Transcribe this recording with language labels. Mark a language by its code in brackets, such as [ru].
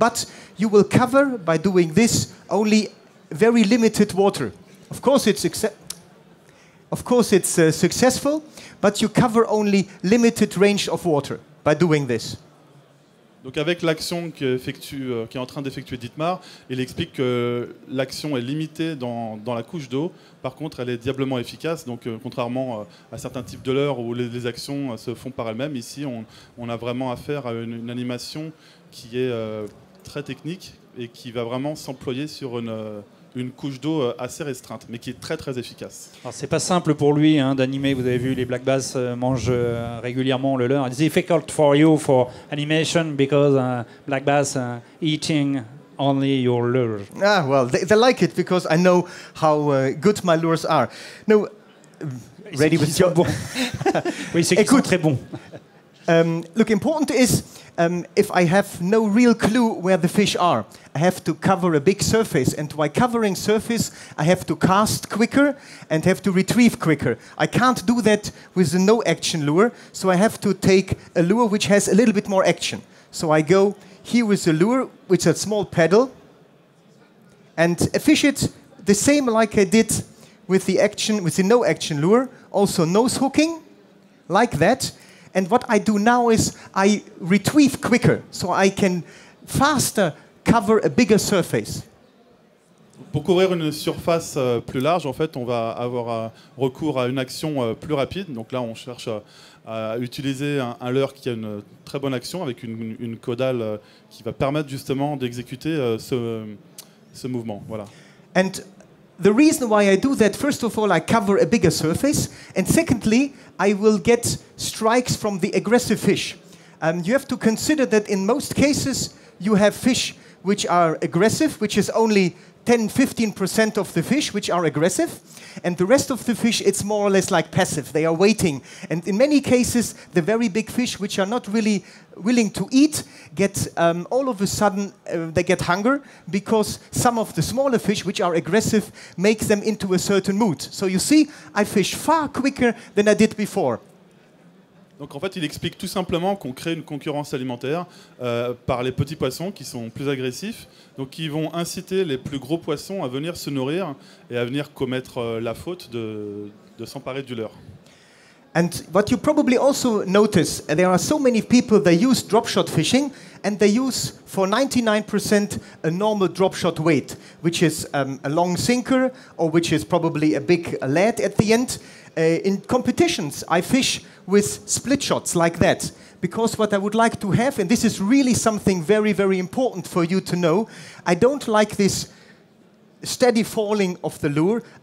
[en] But you will cover, by doing this, only very limited water. Of course it's successful, but you cover only limited range of water by doing this. [fr] Donc avec l'action qu'est en train d'effectuer Dietmar, il explique que l'action est limitée dans la couche d'eau. Par contre, elle est diablement efficace. Donc contrairement à certains types de leurres où les actions se font par elles-mêmes, ici on a vraiment affaire à une animation qui est très technique et qui va vraiment s'employer sur une couche d'eau assez restreinte, mais qui est très très efficace. Alors c'est pas simple pour lui hein, d'animer. Vous avez vu, les black bass mangent régulièrement le leur. [en] It's difficult for you for animation because black bass eating only your lure. Ah well, they like it because I know how good my lures are. No, ready with your [fr] bon. Oui, c'est qu'ils sont très bons. [en] Look, important is if I have no real clue where the fish are, I have to cover a big surface. And by covering surface, I have to cast quicker and have to retrieve quicker. I can't do that with a no-action lure, so I have to take a lure which has a little bit more action. So I go here with a lure, which is a small paddle, and fish it the same like I did with the action, with the no-action lure, also nose hooking, like that. And what I do now is I retrieve quicker, so I can faster cover a bigger surface. [fr] Pour couvrir une surface plus large, en fait, on va avoir recours à une action plus rapide. Donc là, on cherche à utiliser un leurre qui a une très bonne action avec une caudale qui va permettre justement d'exécuter ce mouvement. Voilà. [en] And the reason why I do that, first of all, I cover a bigger surface, and secondly, I will get strikes from the aggressive fish. You have to consider that in most cases, you have fish which are aggressive, which is only 10-15% of the fish which are aggressive, and the rest of the fish, it's more or less like passive. They are waiting, and in many cases, the very big fish, which are not really willing to eat, get all of a sudden they get hunger because some of the smaller fish, which are aggressive, make them into a certain mood. So you see, I fish far quicker than I did before. [fr] Donc en fait, il explique tout simplement qu'on crée une concurrence alimentaire par les petits poissons qui sont plus agressifs, donc qui vont inciter les plus gros poissons à venir se nourrir et à venir commettre la faute de s'emparer du leurre. [en] And what you probably also notice, there are so many people that use drop shot fishing, and they use for 99% a normal drop shot weight, which is a long sinker or which is probably a big lead at the end. In competitions, I fish with split shots like that, because what I would like to have, and this is really something very, very important for you to know, I don't like this steady falling of the lure.